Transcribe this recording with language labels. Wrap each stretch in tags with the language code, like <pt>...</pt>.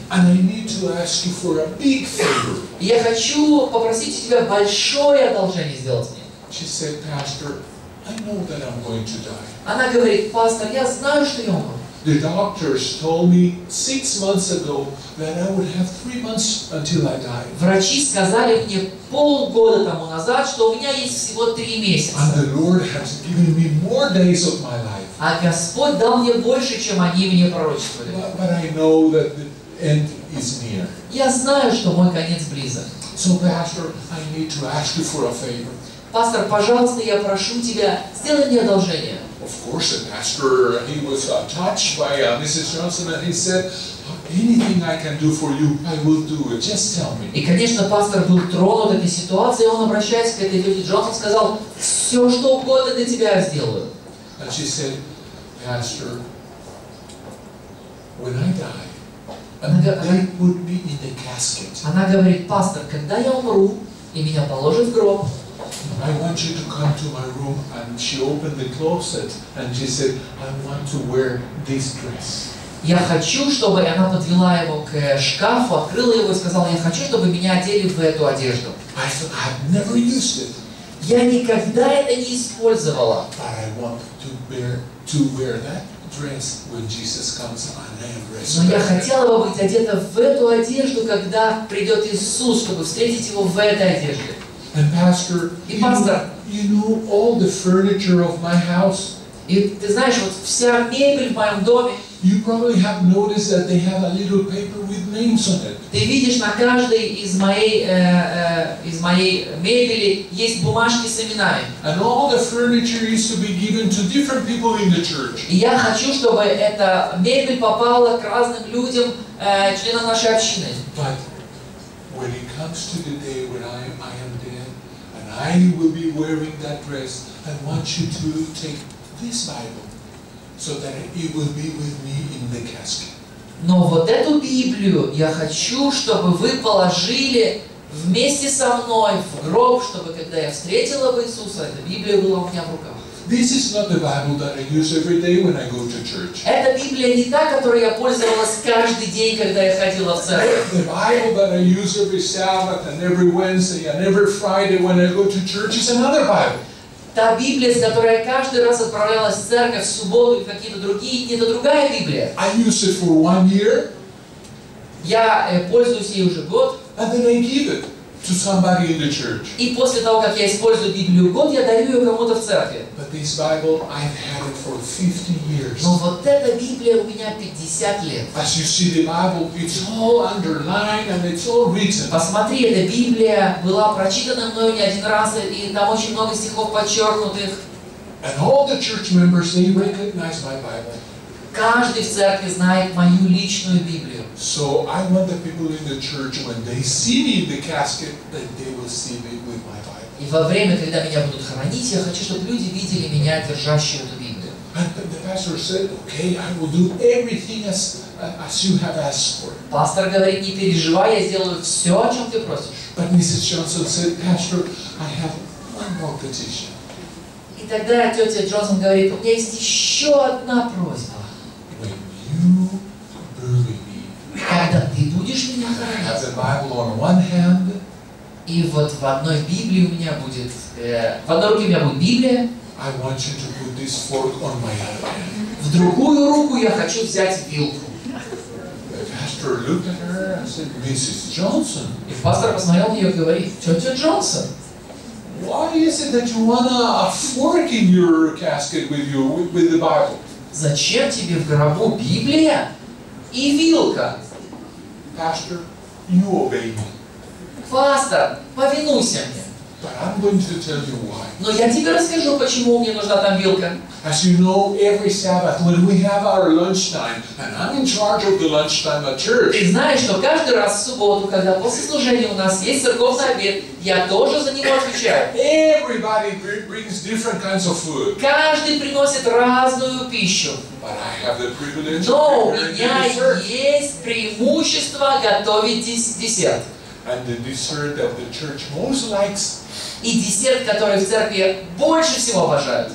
<en>And I need to ask you for a big favor.</en> <ru>И я хочу попросить у тебя большое одолжение сделать мне.</ru> <en>She said, "Pastor, I know that I'm going to die."</en> <ru>Она говорит: "Пастор, я знаю, что я умру."</ru> <en>The doctors told me 6 months ago that I would have 3 months until I die.</en> <ru>Врачи сказали мне полгода тому назад, что у меня есть всего 3 месяца.</ru> <en>And the Lord has given me more days of my life.</en> <ru>А Господь дал мне больше, чем они мне пророчествовали.</ru> <en>But I know that the end is near.</en> <ru>Я знаю, что мой конец близок.</ru> <en>So, Pastor, I need to ask you for a favor.</en> <ru>Пастор, пожалуйста, я прошу тебя, сделай мне одолжение.</ru> <en>Of course, the pastor, he was touched by Mrs. Johnson, and he said, anything I can do for you, I will do it. Just tell me.</en> <ru>И, конечно, пастор был тронут этой ситуацией, и он, обращаясь к этой тете Джонсон, сказал, все, что угодно для тебя, я сделаю.</ru> <en>And she said, pastor, when I die, I would be in the casket.</en> <ru>Она говорит, пастор, когда я умру, и меня положат в гроб,</ru> <en>I want you to come to my room, and she opened the closet, and she said, I want to wear this dress.</en> <ru>Я хочу, чтобы она подвела его к шкафу, открыла его и сказала, я хочу, чтобы меня одели в эту одежду.</ru> <en>I said, I've never used it.</en> <ru>Я никогда это не использовала.</ru> <en>But I want to wear that dress when Jesus comes, and I am ready.</en> <ru>Но я хотела бы быть одета в эту одежду, когда придет Иисус, чтобы встретить его в этой одежде.</ru> <en>And pastor,</en> <ru>и пастор,</ru> <en>you know all the furniture of my house.</en> <ru>И ты знаешь, вот вся мебель в моем доме.</ru> <en>You probably have noticed that they have a little paper with names on it.</en> <ru>Ты видишь, на каждой из моей мебели есть бумажки с именами.</ru> <en>And all the furniture used to be given to different people in the church.</en> <ru>И я хочу, чтобы эта мебель попала к разным людям, членам нашей общины.</ru> <en>But when it comes to the day when I am dead, and I will be wearing that dress, I want you to take this Bible. So that it will be with me in the casket.</en> <ru>Но вот эту Библию я хочу, чтобы вы положили вместе со мной в гроб, чтобы когда я встретила бы Иисуса, эта Библия была у меня в руках.</ru> <en>This is not the Bible that I use every day when I go to church.</en> <ru>Эта Библия не та, которой я пользовалась каждый день, когда я ходила в церковь.</ru> <en>The Bible that I use every Sabbath and every Wednesday and every Friday when I go to church is another Bible.</en> <ru>Та Библия, с которой я каждый раз отправлялась в церковь, в субботу и в какие-то другие дни, это другая Библия.</ru> <en>I use it for one year.</en> <ru>Я пользуюсь ей уже год.</ru> <en>And then I give it to somebody in the church.</en> <ru>И после того, как я использую Библию год, я даю ее кому-то в церкви.</ru> <en>But this Bible, I've had it for 50 years.</en> <ru>Но вот эта Библия у меня 50 лет.</ru> <en>As you see the Bible, it's all underlined and it's all written.</en> <ru>Посмотри, эта Библия была прочитана мною не один раз, и там очень много стихов подчеркнутых.</ru> <en>And all the church members, they recognize my Bible.</en> <ru>Каждый в церкви знает мою личную Библию.</ru> <en>So I want the people in the church, when they see me in the casket, that they will see me with my Bible.</en> <ru>И во время, когда меня будут хоронить, я хочу, чтобы люди видели меня, держащую эту Библию.</ru> <en>And the pastor said, okay, I will do everything as you have asked for.</en> <ru>Пастор говорит, не переживай, я сделаю все, о чем ты просишь.</ru> <en>But Mrs. Johnson said, pastor, I have one more petition.</en> <ru>И тогда тетя Джонсон говорит, у меня есть еще одна просьба.</ru> <en>When you bury me,</en> <ru>когда ты будешь меня хоронить,</ru> <en>I have the Bible on one hand,</en> <ru>и вот в одной Библии у меня будет, в одной руке у меня будет Библия.</ru> <en>I want you to put this fork on my other hand.</en> <ru>В другую руку я хочу взять вилку.</ru> <en>The pastor looked at her and said, Mrs. Johnson.</en> <ru>И пастор посмотрел на нее и говорит, тетя Джонсон.</ru> <en>Why is it that you want a fork in your casket with you, with the Bible?</en> <ru>Зачем тебе в гробу Библия и вилка?</ru> <en>Pastor, you obey me.</en> <ru>Пастор, повинуйся мне.</ru> <en>But I'm going to tell you why.</en> <ru>Но я тебе расскажу, почему мне нужна там вилка.</ru> <en>As you know, every Sabbath, when we have our lunchtime, and I'm in charge of the lunchtime at church.</en> <ru>Ты знаешь, что каждый раз в субботу, когда после служения у нас есть церковный обед, я тоже за него отвечаю.</ru> <en>Everybody brings different kinds of food.</en> <ru>Каждый приносит разную пищу.</ru> <en>But I have the privilege.</en> <ru>Но у меня есть преимущество готовить десерт.</ru> <en>And the dessert that the church most likes.</en> <ru>И десерт, который в церкви больше всего обожают.</ru>